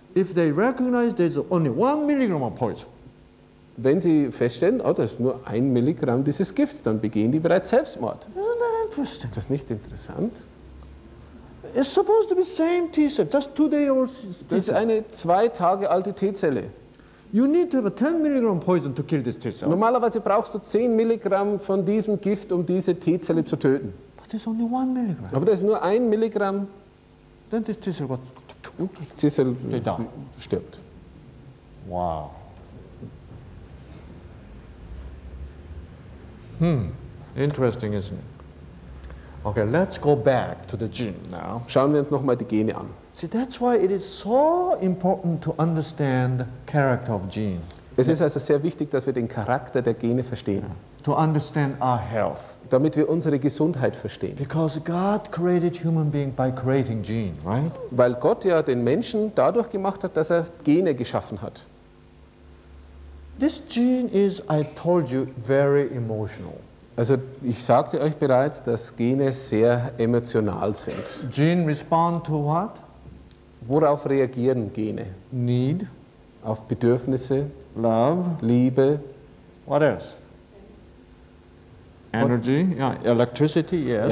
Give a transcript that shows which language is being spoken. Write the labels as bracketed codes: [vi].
[en] if they recognize there's only 1 milligram of poison. [de] Wenn sie feststellen, oh, da ist nur 1 Milligramm dieses Gifts, dann begehen die bereits Selbstmord. [en] Isn't that interesting? [de] Ist das nicht interessant? [en] It's supposed to be same T-cell, just 2 days old T-cell. [de] Das ist eine 2 Tage alte T-Zelle. [en] You need to have a 10 milligram poison to kill this T-cell. [de] Normalerweise brauchst du 10 Milligramm von diesem Gift, diese T-Zelle zu töten. [en] But there's only 1 milligram. [de] Aber da ist nur 1 Milligramm. [en] Then this T-cell got [de] T-Cell stirbt. [en] Wow. Interesting, isn't it? Okay, let's go back to the gene now. [de] Schauen wir uns noch mal die Gene an. [en] See, that's why it is so important to understand the character of gene. [de] Es ist also sehr wichtig, dass wir den Charakter der Gene verstehen. [en] To understand our health. [de] Damit wir unsere Gesundheit verstehen. [en] Because God created human being by creating gene, right? [de] Weil Gott ja den Menschen dadurch gemacht hat, dass er Gene geschaffen hat. [en] This gene is, I told you, very emotional. [de] Also, ich sagte euch bereits, dass Gene sehr emotional sind. [en] Gene respond to what? [de] Worauf reagieren Gene? [en] Need. [de] Auf Bedürfnisse. [en] Love. [de] Liebe. [en] What else? Energy. Yeah. Electricity. Yes.